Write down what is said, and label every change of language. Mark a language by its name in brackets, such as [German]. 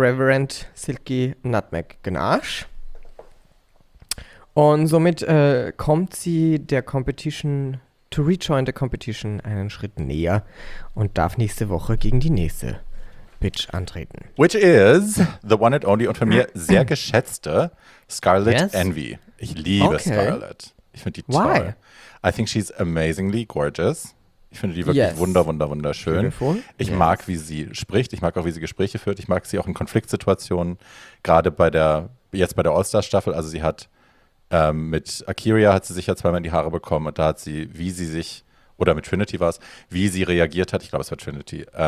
[German] Reverend Silke Nutmeg Ganache. Und somit kommt sie der Competition, [English] to rejoin the Competition, [German] einen Schritt näher und darf nächste Woche gegen die nächste Bitch antreten. [English] Which is the one and only [German] und von mir sehr geschätzte [English] Scarlett Envy. [German] Ich liebe Scarlett. Ich finde die toll. [English] Why? I think she's amazingly gorgeous. [German] Ich finde die wirklich wunderschön. [English] Beautiful. [German] Ich mag, wie sie spricht. Ich mag auch, wie sie Gespräche führt. Ich mag sie auch in Konfliktsituationen. Gerade bei der All-Star-Staffel. Also sie hat mit Akiria hat sie sich ja zweimal in die Haare bekommen. Und da hat sie, wie sie sich, oder mit Trinity war es, wie sie reagiert hat. Ich glaube, es war Trinity.